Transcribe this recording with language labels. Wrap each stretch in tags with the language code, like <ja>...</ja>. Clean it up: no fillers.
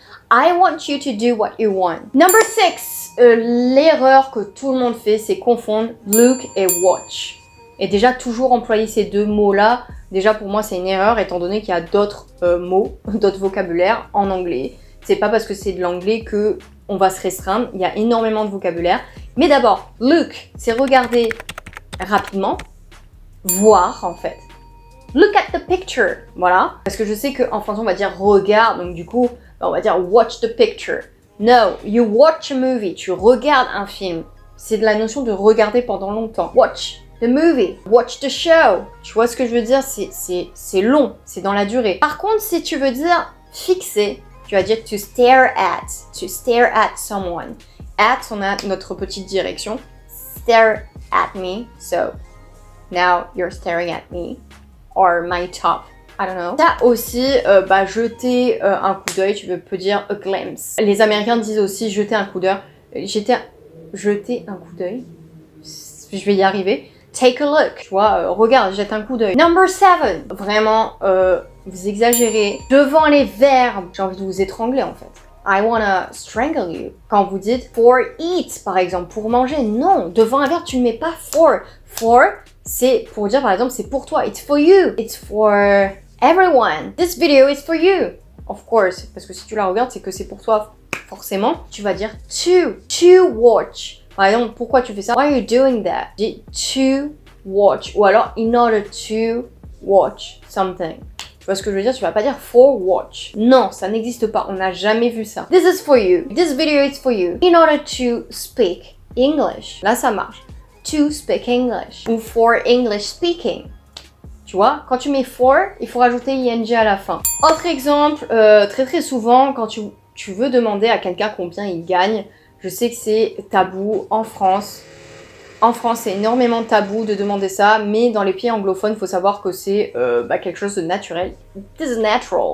<en>I want you to do what you want. Number six,</en> <fr>l'erreur que tout le monde fait, c'est confondre look et watch. Et déjà, toujours employer ces deux mots-là, déjà pour moi, c'est une erreur, étant donné qu'il y a d'autres mots, d'autres vocabulaires en anglais. C'est pas parce que c'est de l'anglais qu'on va se restreindre. Il y a énormément de vocabulaire. Mais d'abord, look, c'est regarder rapidement, voir en fait.</fr> <en>Look at the picture.</en> <fr>Voilà. Parce que je sais qu'en français, on va dire regarde. Donc du coup, on va dire</fr> <en>watch the picture. No, you watch a movie.</en> <fr>Tu regardes un film. C'est de la notion de regarder pendant longtemps.</fr> <en>Watch the movie. Watch the show.</en> <fr>Tu vois ce que je veux dire? C'est long. C'est dans la durée. Par contre, si tu veux dire fixer, tu vas dire</fr> <en>to stare at. To stare at someone.</en> <fr>At, on a notre petite direction.</fr> <en>Stare at me. So, now you're staring at me. Or my top, I don't know.</en> <fr>T'as aussi jeter un coup d'œil, tu peux dire</fr> <en>a glimpse.</en> <fr>Les Américains disent aussi jeter un coup d'œil. Jeter un coup d'œil. Je vais y arriver.</fr> <en>Take a look.</en> <fr>Tu vois, regarde, jette un coup d'œil. Number 7. Vraiment, vous exagérez. Devant les verbes, j'ai envie de vous étrangler en fait.</fr> <en>I wanna strangle you.</en> <fr>Quand vous dites</fr> <en>for eat,</en> <fr>par exemple, pour manger. Non, devant un verbe, tu ne mets pas for. For. C'est pour dire, par exemple, c'est pour toi.</fr> <en>It's for you. It's for everyone. This video is for you. Of course.</en> <fr>Parce que si tu la regardes, c'est que c'est pour toi, forcément. Tu vas dire to. To watch. Par exemple, pourquoi tu fais ça?</fr> <en>Why are you doing that?</en> <fr>Dis</fr> <en>to watch.</en> <fr>Ou alors,</fr> <en>in order to watch something.</en> <fr>Tu vois ce que je veux dire? Tu vas pas dire</fr> <en>for watch.</en> <fr>Non, ça n'existe pas. On n'a jamais vu ça.</fr> <en>This is for you.</en> <fr>This video is for you.</fr> <en>In order to speak English.</en> <fr>Là, ça marche.</fr> <en>To speak English</en> <fr>ou</fr> <en>for English speaking.</en> <fr>Tu vois, quand tu mets for, il faut rajouter ing à la fin. Autre exemple, très très souvent, quand tu veux demander à quelqu'un combien il gagne, je sais que c'est tabou en France. En France, c'est énormément tabou de demander ça, mais dans les pays anglophones, il faut savoir que c'est quelque chose de naturel.</fr> <en>It is natural.</en>